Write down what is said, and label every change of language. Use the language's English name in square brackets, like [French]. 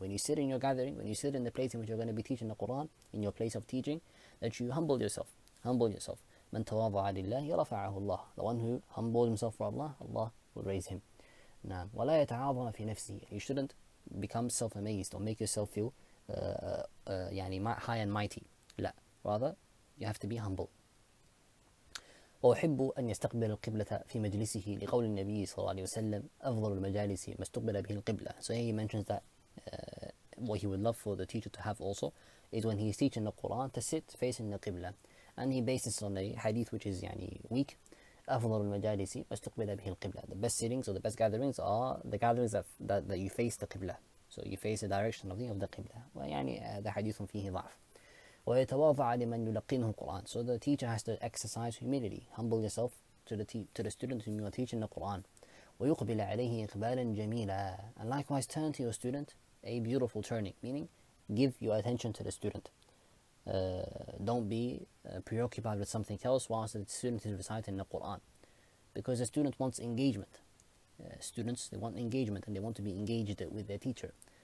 [English] When you sit in your gathering, when you sit in the place in which you're going to be teaching the Quran, in your place of teaching, that you humble yourself. Humble yourself. [Arabic] مَنْ تَوَاضَعَ لِلَّهِ رَفَعَهُ اللَّهُ. [English] The one who humbled himself for Allah, Allah will raise him. [Arabic] نعم. وَلَا يَتَعَاظَمَ فِي نَفْسِهِ. [English] You shouldn't become self-amazed or make yourself feel high and mighty. [Arabic] لا. [English] Rather, you have to be humble. [Arabic] أحب أن يستقبل القبلة في مجلسه لقول النبي صلى الله عليه وسلم أفضل المجالس ما استقبل به القبلة. [English] So here he mentions that what he would love for the teacher to have also is when he is teaching the Quran to sit facing the قبلة. And he bases on a hadith which is weak. [Arabic] أفضل المجالس ما استقبل به القبلة. [English] The best sittings or the best gatherings are the gatherings that you face the قبلة. So you face the direction of the قبلة. [Arabic] ويعني هذا حديث فيه ضعف. ويتواضع لمن يلقنه القرآن. [English] So the teacher has to exercise humility, humble yourself to the student whom you are teaching the Quran. ويقبل عليه إقبالا جميلا. And likewise turn to your student a beautiful turning, meaning give your attention to the student. Don't be preoccupied with something else whilst the student is reciting the Quran, because the student wants engagement. Students, they want engagement and they want to be engaged with their teacher.